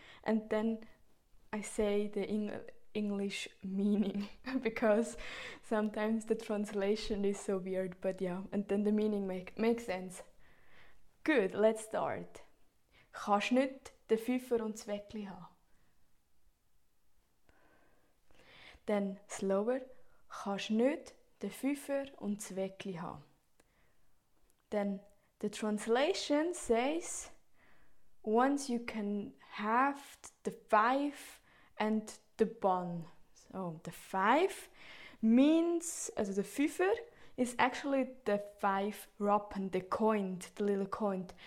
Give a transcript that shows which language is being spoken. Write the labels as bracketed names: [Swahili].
[English] And then, I say the English meaning, because sometimes the translation is so weird, but yeah, and then the meaning makes sense. Good, let's start. [German] Kannst nicht den Pfeifer und das Weckli haben. [English] Then slower. [German] Kannst nicht den Pfeifer und das Weckli haben. [English] Then the translation says, once you can have the five and the bun. So the five means, also the Pfeifer is actually the five Rappen, the coin, the little coin.